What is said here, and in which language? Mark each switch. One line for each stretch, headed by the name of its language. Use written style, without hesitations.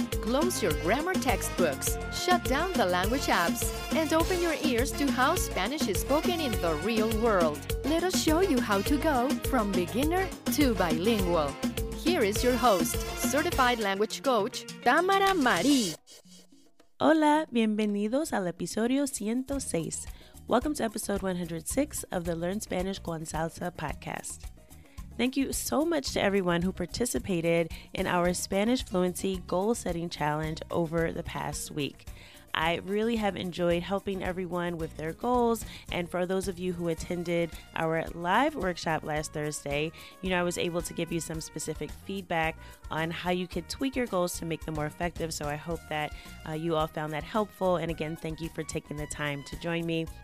English: Close your grammar textbooks, shut down the language apps, and open your ears to how Spanish is spoken in the real world. Let us show you how to go from beginner to bilingual. Here is your host, certified language coach, Tamara Mari.
Spanish: Hola, bienvenidos al episodio 106.
English: Welcome to episode 106 of the Learn Spanish con Salsa podcast. Thank you so much to everyone who participated in our Spanish Fluency Goal Setting Challenge over the past week. I really have enjoyed helping everyone with their goals, and for those of you who attended our live workshop last Thursday, you know, I was able to give you some specific feedback on how you could tweak your goals to make them more effective, so I hope that you all found that helpful, and again, thank you for taking the time to join me.